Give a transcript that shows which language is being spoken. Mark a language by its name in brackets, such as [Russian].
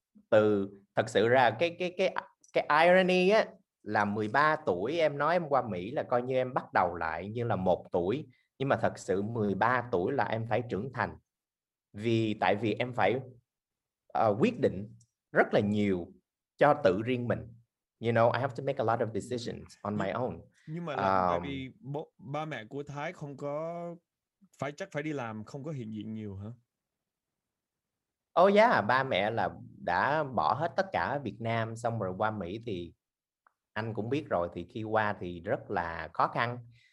[Vietnamese] Từ thật sự ra cái irony á, là 13 tuổi em nói em qua Mỹ là coi như em bắt đầu lại như là 1 tuổi. Nhưng mà thật sự 13 tuổi là em phải trưởng thành. Vì tại vì em phải quyết định rất là nhiều cho tự riêng mình. [English] You know, I have to make a lot of decisions on my own. [Vietnamese] Nhưng mà là tại vì ba mẹ của Thái không có, chắc phải đi làm, không có hiện diện nhiều hả? Oh yeah, ba mẹ là đã bỏ hết tất cả ở Việt Nam, xong rồi qua Mỹ thì anh cũng biết rồi, thì khi qua thì rất là khó khăn.